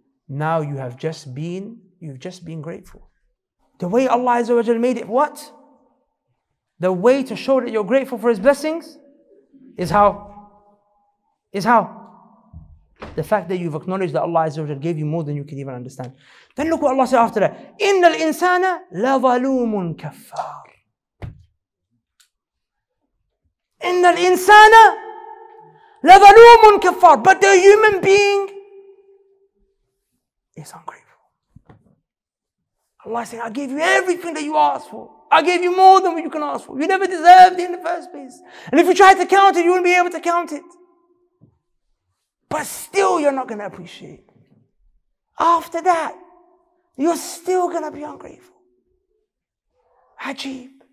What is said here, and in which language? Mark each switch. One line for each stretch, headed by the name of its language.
English: Now you have just been, you've just been grateful. The way Allah Azza wa Jalla made it, what? The way to show that you're grateful for His blessings is how? Is how? The fact that you've acknowledged that Allah Azza wa Jalla gave you more than you can even understand. Then look what Allah said after that.
Arabic: إِنَّ الْإِنسَانَ لَظَلُومٌ كَفَّارٌ إِنَّ الْإِنسَانَ لَظَلُومٌ كَفَّارٌ But the human being is ungrateful.
English: Allah said, I gave you everything that you asked for. I gave you more than what you can ask for. You never deserved it in the first place. And if you try to count it, you wouldn't be able to count it. But still, you're not going to appreciate. After that, you're still going to be ungrateful. Ajib.